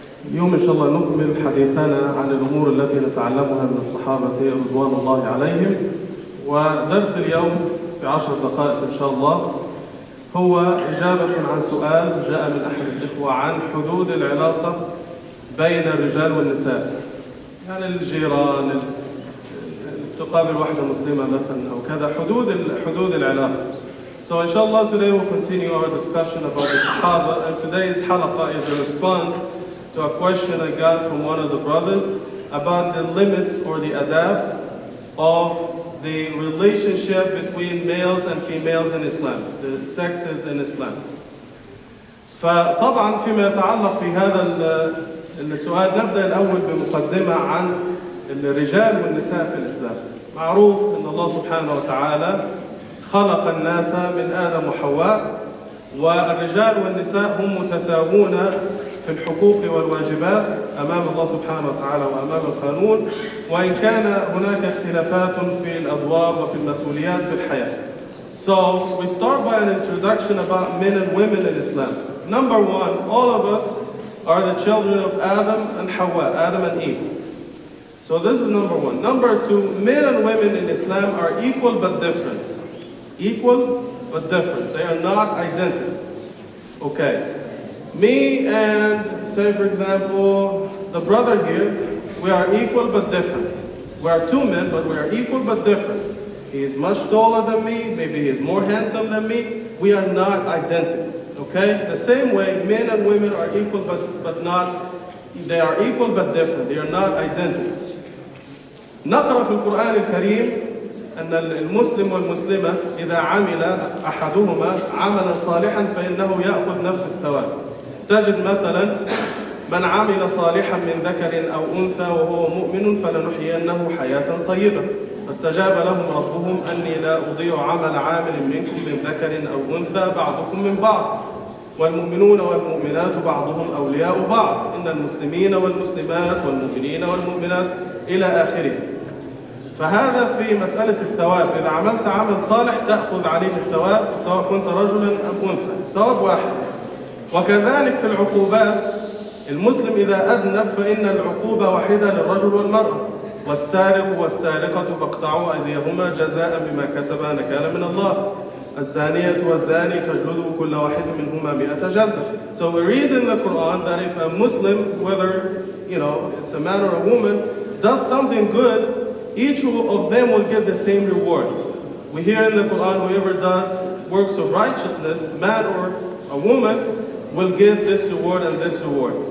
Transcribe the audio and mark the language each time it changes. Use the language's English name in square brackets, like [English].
[Arabic] اليوم إن شاء الله نكمل حديثنا عن الأمور التي نتعلمها من الصحابة رضوان الله عليهم، ودرس اليوم في 10 دقائق إن شاء الله هو إجابة عن سؤال جاء من أحد الإخوة عن حدود العلاقة بين الرجال والنساء، يعني الجيران، تقابل واحدة مسلمة مثلا أو كذا، حدود العلاقة. [English] So inshallah today we'll continue our discussion about the Sahaba, and today's halaqa is a response to a question I got from one of the brothers about the limits or the adab of the relationship between males and females in Islam, the sexes in Islam. [Arabic] فطبعا فيما يتعلق في هذا السؤال نبدأ الأول بمقدمة عن الرجال والنساء في الإسلام. معروف أن الله سبحانه وتعالى خلق الناس من آدم وحواء، والرجال والنساء هم متساوون في الحقوق والواجبات أمام الله سبحانه وتعالى وأمام القانون، وإن كان هناك اختلافات في الأدوار وفي المسؤوليات في الحياة. [English] So we start by an introduction about men and women in Islam. Number one, all of us are the children of Adam and Hawa, Adam and Eve. So this is number one. Number two, men and women in Islam are equal but different. Equal but different. They are not identical. Okay. Me and, say for example, the brother here, we are equal but different. We are two men, but we are equal but different. He is much taller than me, maybe he is more handsome than me. We are not identical. Okay? The same way, men and women are equal but not, they are equal but different. They are not identical. [Arabic] نقرأ في القرآن الكريم أن المسلم والمسلمة إذا عمل أحدهما عملا صالحا فإنه يأخذ نفس الثواب. تجد مثلا من عمل صالحا من ذكر أو أنثى وهو مؤمن فلنحيينه حياة طيبة. فاستجاب لهم ربهم أني لا أضيع عمل عامل منكم من ذكر أو أنثى بعضكم من بعض. والمؤمنون والمؤمنات بعضهم أولياء بعض. إن المسلمين والمسلمات والمؤمنين والمؤمنات إلى آخره. فهذا في مسألة الثواب، إذا عملت عمل صالح تأخذ عليه الثواب سواء كنت رجلا أو أنثى، ثواب واحد. وكذلك في العقوبات، المسلم إذا أذنب فإن العقوبة واحدة للرجل والمرأة، والسارق والسارقة فاقطعوا أيديهما جزاء بما كسبا نكالا من الله، الزانية والزاني فاجلدوا كل واحد منهما 100 جلدة. [English] So we read in the Quran that if a Muslim, whether you know it's a man or a woman, does something good, each of them will get the same reward. We hear in the Quran, whoever does works of righteousness, man or a woman, will get this reward and this reward.